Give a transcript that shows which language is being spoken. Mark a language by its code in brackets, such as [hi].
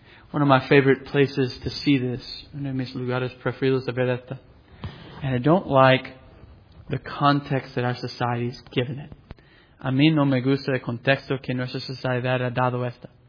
[en] One of my favorite places to see this. [es] Uno de mis lugares preferidos de ver esto. [en] And I don't like the context that our society has given it. [es] A mí no me gusta el contexto que nuestra sociedad ha dado esta.